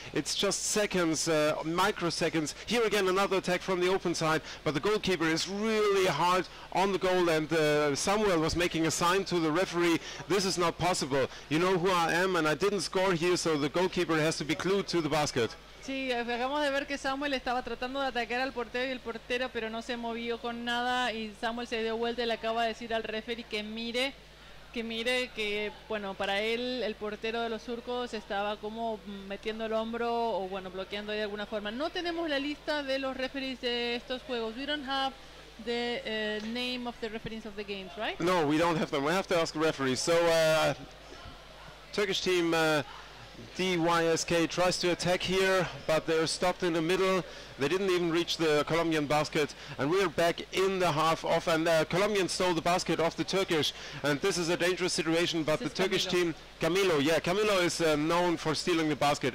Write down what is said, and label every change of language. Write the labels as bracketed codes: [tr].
[en] It's just seconds, microseconds. Here again another attack from the open side, but the goalkeeper is really hard on the goal, and Samuel was making a sign to the referee, this is not possible. You know who I am and I didn't score here, so the goalkeeper has to be glued to the basket. [es] Sí, acabamos de ver que Samuel estaba tratando de atacar al portero y el portero, pero no se movió con nada y Samuel se dio vuelta y le acaba de decir al referee que mire que, bueno, para él el portero de los turcos estaba como metiendo el hombro o, bueno, bloqueando de alguna forma. No tenemos la lista de los referees de estos juegos. [en] We don't have the name of the referees of the games, right? No, we don't have them. We have to ask the referees. So, Turkish team... DYSK tries to attack here, but they're stopped in the middle. They didn't even reach the Colombian basket, and we're back in the half off, and the Colombian stole the basket off the Turkish, and this is a dangerous situation, but the Turkish team, Camilo is known for stealing the basket.